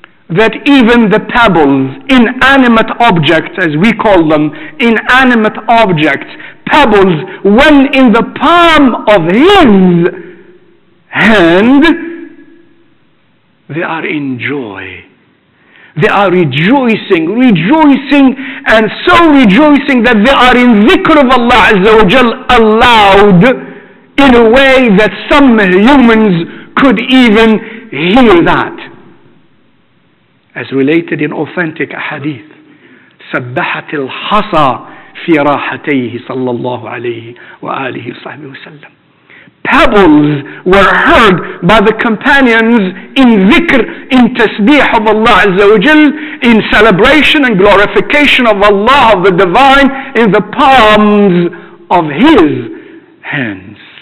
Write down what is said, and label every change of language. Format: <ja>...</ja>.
<en>that even the pebbles, inanimate objects as we call them, inanimate objects, pebbles, when in the palm of his hand, they are in joy. They are rejoicing, and so rejoicing that they are in dhikr of Allah Azza wa Jal aloud in a way that some humans could even hear that. As related in authentic hadith,</en> <ar>سبحت الحصى في راحتيه صلى الله عليه وآله وصحبه وسلم.</ar> <en>Pebbles were heard by the companions in dhikr, in tasbih of Allah Azza wa Jal, in celebration and glorification of Allah, of the Divine, in the palms of His hands.</en>